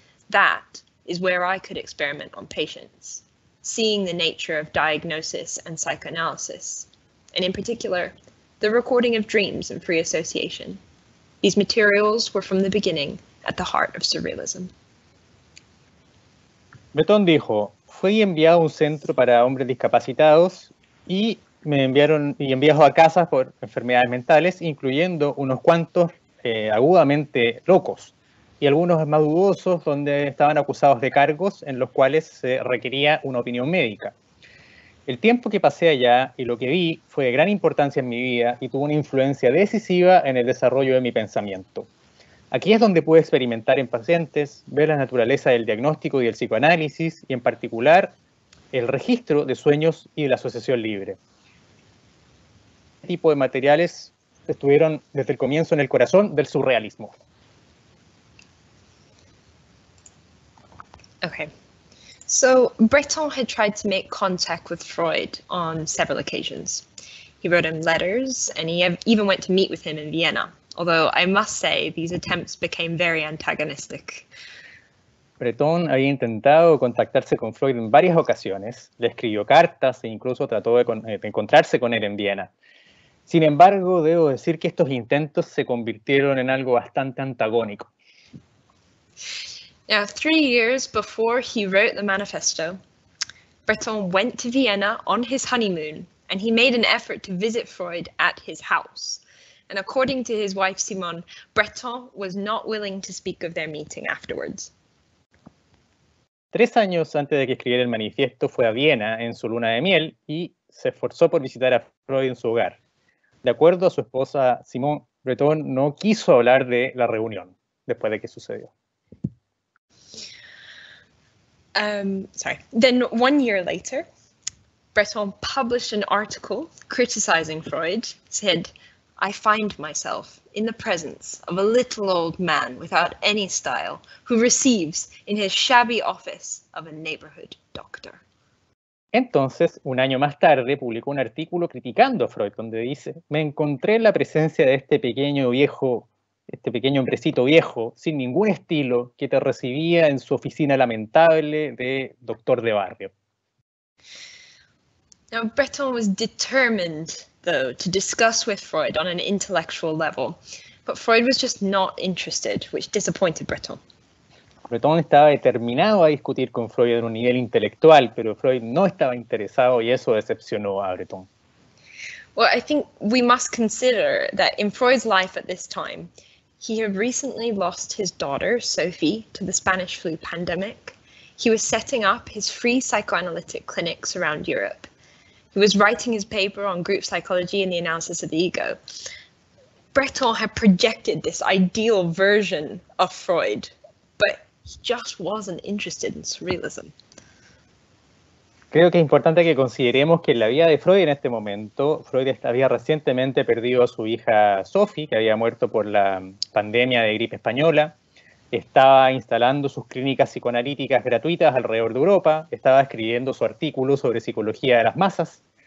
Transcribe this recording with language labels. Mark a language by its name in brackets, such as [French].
[English] That is where I could experiment on patients, seeing the nature of diagnosis and psychoanalysis, and in particular, the recording of dreams and free association. These materials were from the beginning at the heart of Surrealism." [Spanish] Breton dijo, "Fui enviado a un centro para hombres discapacitados y me enviaron y enviado a casa por enfermedades mentales, incluyendo unos cuantos agudamente locos y algunos más dudosos donde estaban acusados de cargos en los cuales se requería una opinión médica. El tiempo que pasé allá y lo que vi fue de gran importancia en mi vida y tuvo una influencia decisiva en el desarrollo de mi pensamiento. Aquí es donde pude experimentar en pacientes, ver la naturaleza del diagnóstico y del psicoanálisis y en particular el registro de sueños y de la asociación libre." tipo de materiales estuvieron desde el comienzo en el corazón del surrealismo. [English] Okay. So Breton had tried to make contact with Freud on several occasions. He wrote him letters and he even went to meet with him in Vienna. Although I must say these attempts became very antagonistic. [Spanish] Breton había intentado contactarse con Freud en varias ocasiones, le escribió cartas e incluso trató de encontrarse con él en Viena. Sin embargo, debo decir que estos intentos se convirtieron en algo bastante antagónico. [English] Now, 3 years before he wrote the manifesto, Breton went to Vienna on his honeymoon and he made an effort to visit Freud at his house. And according to his wife Simone, Breton was not willing to speak of their meeting afterwards. [Spanish] 3 años antes de que escribiera el manifiesto, fue a Viena en su luna de miel y se esforzó por visitar a Freud en su hogar. De acuerdo a su esposa Simone, Breton no quiso hablar de la reunión después de que sucedió. [English] Then 1 year later, Breton published an article criticizing Freud, said, "I find myself in the presence of a little old man without any style who receives in his shabby office of a neighborhood doctor." [Spanish] Entonces, un año más tarde, publicó un artículo criticando a Freud, donde dice, "Me encontré en la presencia de este pequeño viejo, este pequeño hombrecito viejo, sin ningún estilo, que te recibía en su oficina lamentable de doctor de barrio." [English] Now, Breton was determined, though, to discuss with Freud on an intellectual level. But Freud was just not interested, which disappointed Breton. [Spanish] Breton estaba determinado a discutir con Freud en un nivel intelectual, pero Freud no estaba interesado y eso decepcionó a Breton. [English] Well, I think we must consider that in Freud's life at this time, he had recently lost his daughter, Sophie, to the Spanish flu pandemic. He was setting up his free psychoanalytic clinics around Europe. He was writing his paper on group psychology and the analysis of the ego. Breton had projected this ideal version of Freud, but he just wasn't interested in surrealism. [Spanish] Creo que es importante que consideremos que en la vida de Freud en este momento, Freud había recientemente perdido a su hija Sophie, que había muerto por la pandemia de gripe española. Estaba instalando sus clínicas psicoanalíticas gratuitas alrededor de Europa, estaba escribiendo su artículo sobre psicología de las masas.